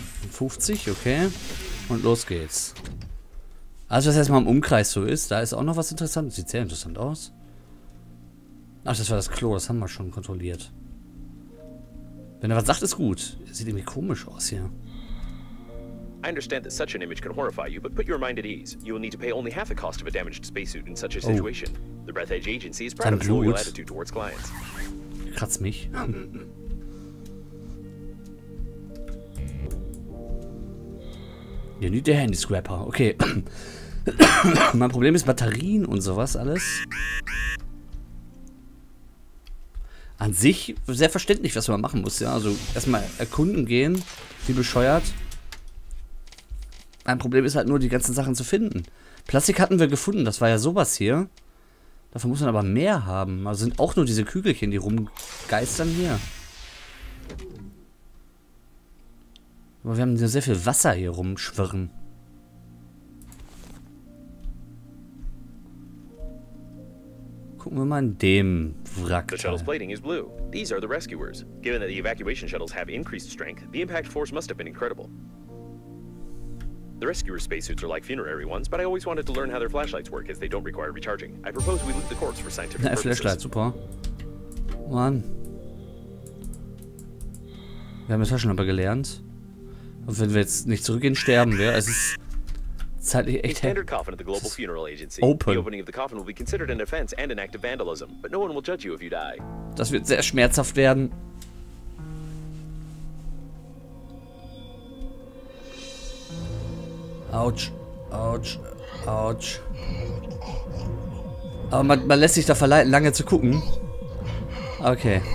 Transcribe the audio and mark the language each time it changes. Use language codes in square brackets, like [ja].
[de] 50, okay. Und los geht's. Also was erstmal im Umkreis so ist, da ist auch noch was Interessantes. Sieht sehr interessant aus. Ach, das war das Klo, das haben wir schon kontrolliert. Wenn er was sagt, ist gut. Sieht irgendwie komisch aus hier. [en] I understand that such an image can horrify you, but put your mind at ease. You will need to pay only half the cost of a damaged spacesuit in such a situation. The Breath Edge Agency is proud of your loyal attitude towards clients. [de] Kratz mich. Ja, nicht der Handy Scrapper. Okay. Mein Problem ist Batterien und sowas alles. An sich sehr verständlich, was man machen muss, ja. Also erstmal erkunden gehen, wie bescheuert. Mein Problem ist halt nur, die ganzen Sachen zu finden. Plastik hatten wir gefunden, das war ja sowas hier. Davon muss man aber mehr haben. Also sind auch nur diese Kügelchen, die rumgeistern hier. Aber wir haben ja sehr viel Wasser hier rumschwirren. gucken wir mal in dem Wrack. [en] The shuttle's plating is blue. These are the rescuers. Given that the evacuation shuttles have increased strength, the impact force must have been incredible. The rescuer spacesuits are like funerary ones, but I always wanted to learn how their flashlights work, as they don't require recharging. I propose we loot the corpse for scientific purposes. [de] Flashlight, super. Mann. Wir haben das ja schon aber gelernt. Und wenn wir jetzt nicht zurückgehen, sterben wir. Es ist zeitlich echt [en] standard coffin at the Global Funeral Agency. Open. The opening of the coffin will be considered an offense and an act of vandalism, but no one will judge you if you die. [de] Das wird sehr schmerzhaft werden. Autsch, autsch, autsch. Aber man lässt sich da verleiten, lange zu gucken. Okay.